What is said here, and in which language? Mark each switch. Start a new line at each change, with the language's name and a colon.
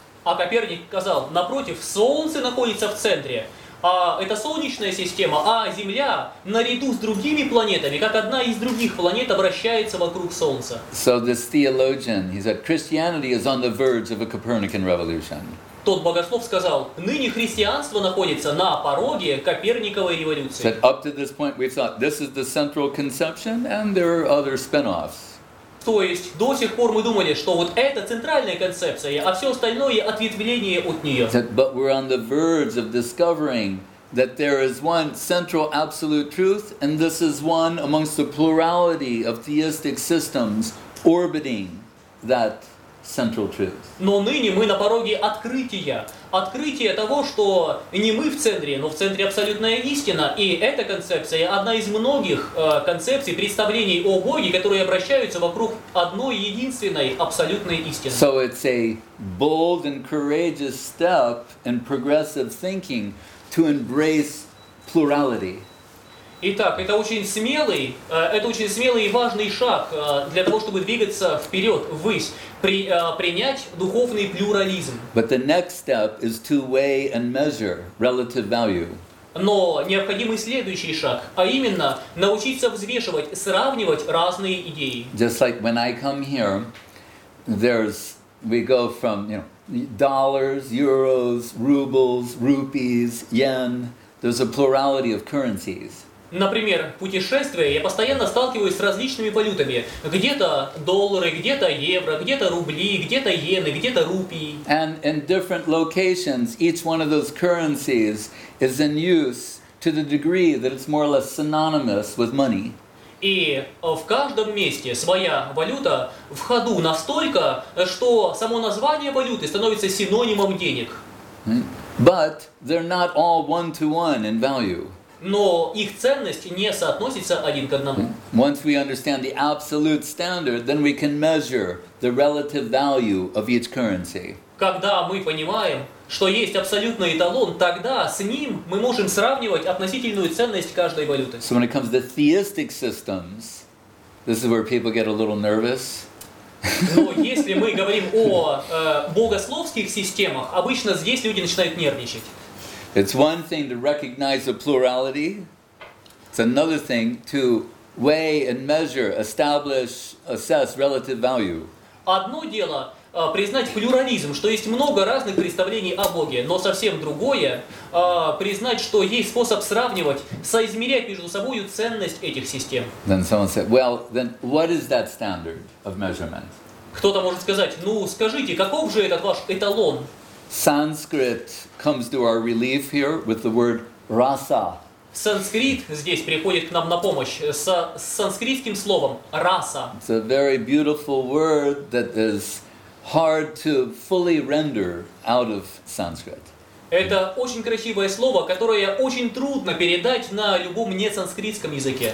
Russian: А Коперник сказал, напротив, Солнце находится в центре. А это Солнечная система, а Земля, наряду с другими планетами, как одна из других планет, обращается вокруг Солнца.
English: So this theologian, he said, Christianity is on the verge of a Copernican revolution.
Russian: Тот богослов сказал, ныне христианство находится на пороге Коперниковой революции.
English: Said, up to this point we thought, this is the central conception, and there are other spin-offs.
Russian: То есть до сих пор мы думали, что вот это центральная концепция, а все остальное ответвление от нее.
English: But we're on the verge of discovering that there is one central absolute truth, and this is one amongst the plurality of theistic systems orbiting that central truth.
Russian: Но ныне мы на пороге открытия. Открытие того, что не мы в центре, но в центре абсолютная истина. И эта концепция одна из многих концепций, представлений о Боге, которые обращаются вокруг одной единственной абсолютной истины.
English: So it's a bold and courageous step in progressive thinking to embrace plurality.
Russian: Итак, это очень смелый и важный шаг для того, чтобы двигаться вперед, ввысь, принять духовный плюрализм.
English: But the next step is to weigh and measure relative value.
Russian: Но необходимый следующий шаг, а именно научиться взвешивать, сравнивать разные идеи.
English: Just like when I come here, we go from, you know, dollars, euros, rubles, rupees, yen. There's a plurality of currencies.
Russian: Например, путешествуя, я постоянно сталкиваюсь с различными валютами. Где-то доллары, где-то евро, где-то рубли, где-то иены, где-то рупии.
English: And in different locations, each one of those currencies is in use to the degree that it's more or less synonymous with money.
Russian: И в каждом месте своя валюта в ходу настолько, что само название валюты становится синонимом денег.
English: But they're not all one-to-one in value.
Russian: Но их ценность не соотносится один к одному.
English: Once we understand the absolute standard, then we can measure the relative value of each currency.
Russian: Когда мы понимаем, что есть абсолютный эталон, тогда с ним мы можем сравнивать относительную ценность каждой валюты.
English: So when it comes to theistic systems, this is where people get a little nervous.
Russian: Но если мы говорим о богословских системах, обычно здесь люди начинают нервничать.
English: It's one thing to recognize the plurality. It's another thing to weigh and measure, establish, assess relative value.
Russian: Одно дело признать плюрализм, что есть много разных представлений о Боге, но совсем другое признать, что есть способ сравнивать, соизмерять между собой ценность этих систем.
English: Then someone said, "Well, then, what is that standard of measurement?"
Russian: Кто-то может сказать: "Ну, скажите, каков же этот ваш эталон?"
English: Sanskrit comes to our relief here with the word rasa.
Russian: Санскрит здесь приходит к нам на помощь с санскритским словом rasa.
English: It's a very beautiful word that is hard to fully render out of Sanskrit.
Russian: Это очень красивое слово, которое очень трудно передать на любом несанскритском языке.